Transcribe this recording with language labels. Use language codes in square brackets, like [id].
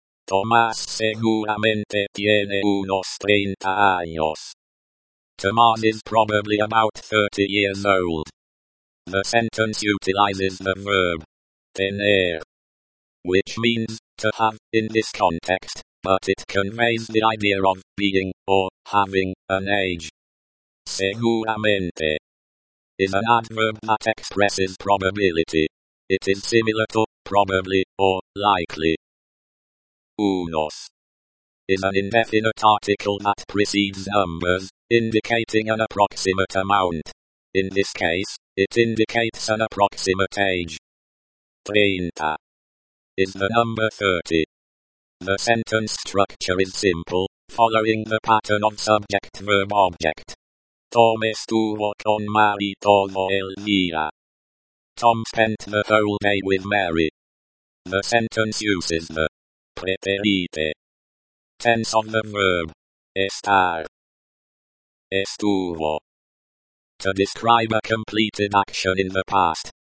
[en] Tomás seguramente tiene unos 30 años. Tomás is probably about 30 years old. The sentence utilizes the verb tener, which means to have in this context, but it conveys the idea of being or having an age. Seguramente is an adverb that expresses probability. It is similar to probably or likely. Unos is an indefinite article that precedes numbers, indicating an approximate amount. In this case, it indicates an approximate age. Treinta is the number 30. The sentence structure is simple, following the pattern of subject-verb-object. [es] Tom estuvo con Mary todo el día. [en] Tom spent the whole day with Mary. The sentence uses the preterite tense of the verb estar, estuvo, to describe a completed action in the past.